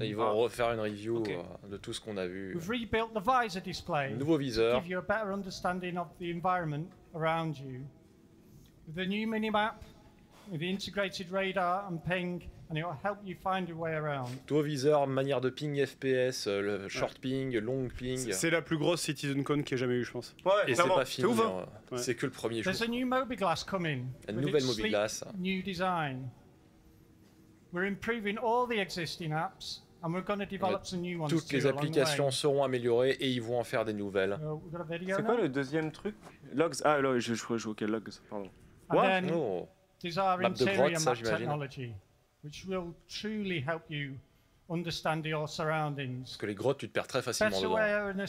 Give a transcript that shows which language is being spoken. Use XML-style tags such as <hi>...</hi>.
<fr>Ils vont refaire une review de tout ce qu'on a vu.</fr> <en>We've rebuilt the visor display.</en> <fr>Nouveau viseur.</fr> <en>To give you a better understanding of the environment around you. The new minimap, the integrated radar and ping, and it will help you find your way around.</en> <fr>Tout viseur, manière de ping FPS, le short ping, long ping. C'est la plus grosse CitizenCon qu'il y a jamais eu, je pense. Ouais, et c'est pas fini, c'est que le premier jour.</fr> <en>There's a new MobiGlass coming.</en> <fr>Une nouvelle MobiGlass.</fr> <en>New design. We're improving all the existing apps And we're going to develop some new ones.</en> <fr>Toutes les applications seront améliorées et ils vont en faire des nouvelles. C'est quoi le deuxième truc? Logs. Ah, là, je crois que je vois quel logs, pardon.</fr> <en>What? Then, oh. These are map</en> <fr>de grotte, ça, j'imagine.</fr> <en>Which will truly help you understand your surroundings.</en> <fr>Parce que les grottes, tu te perds très facilement dedans.</fr>